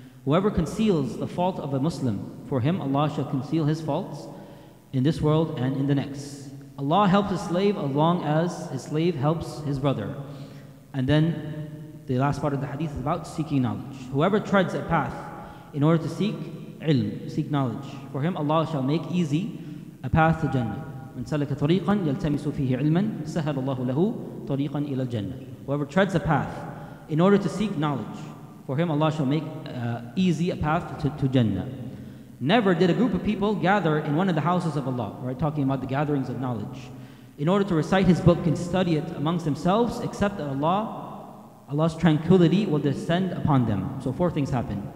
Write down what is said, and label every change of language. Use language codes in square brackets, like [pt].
[en] Whoever conceals the fault of a Muslim, for him Allah shall conceal his faults in this world and in the next. Allah helps his slave as long as his slave helps his brother. And then the last part of the hadith is about seeking knowledge. Whoever treads a path in order to seek ilm, seek knowledge, for him Allah shall make easy a path to Jannah. [ar] من سلك طريقا يلتمس فيه علما سهل الله له طريقا إلى الجنة. [en] Whoever treads a path in order to seek knowledge, for him Allah shall make easy a path to Jannah. Never did a group of people gather in one of the houses of Allah, right, talking about the gatherings of knowledge, in order to recite his book and study it amongst themselves, except that Allah's tranquility will descend upon them. So four things happen.